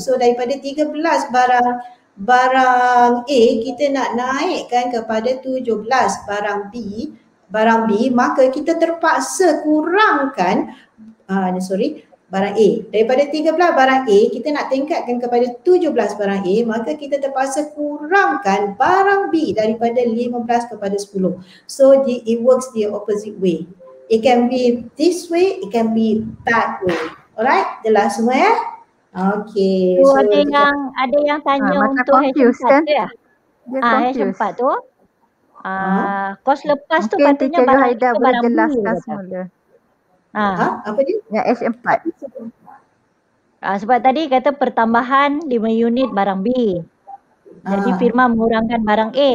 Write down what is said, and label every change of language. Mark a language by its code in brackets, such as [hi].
[ms] So daripada 13 barang A, kita nak naikkan kepada 17 barang B, maka kita terpaksa kurangkan barang A. Daripada 13 barang A, kita nak tingkatkan kepada 17 barang A, maka kita terpaksa kurangkan barang B daripada 15 kepada 10. [en] So it works the opposite way. It can be this way, it can be that way. [ms] Alright, jelas semua ya? Okay. So ada yang tanya untuk H4 kan? H4 tu. Kos lepas tu patutnya barang A ke barang B. Jelaskan semula. Apa dia? Ya, H4. Sebab tadi kata pertambahan 5 unit barang B. Jadi firma mengurangkan barang A.